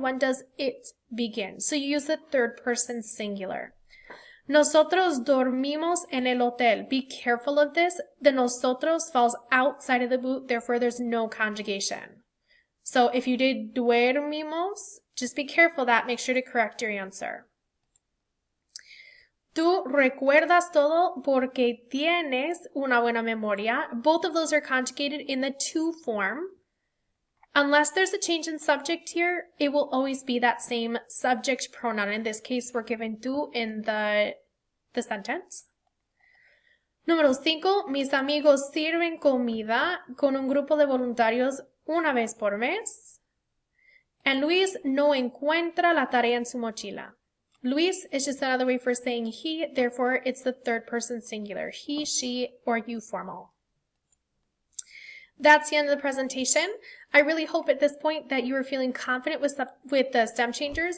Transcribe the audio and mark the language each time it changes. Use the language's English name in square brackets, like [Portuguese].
[English] When does it begin? So you use the third person singular. [Spanish] Nosotros dormimos en el hotel. [English] Be careful of this. The nosotros falls outside of the boot, therefore there's no conjugation. So if you did duermimos, just be careful of that. Make sure to correct your answer. [Spanish] Tú recuerdas todo porque tienes una buena memoria. [English] Both of those are conjugated in the to form. Unless there's a change in subject here, it will always be that same subject pronoun. In this case, we're given tú in the sentence. [Spanish] Número cinco, mis amigos sirven comida con un grupo de voluntarios una vez por mes. And Luis no encuentra la tarea en su mochila. [English] Luis is just another way for saying he, therefore it's the third person singular, he, she, or you formal. That's the end of the presentation. I really hope at this point that you are feeling confident with the stem changers.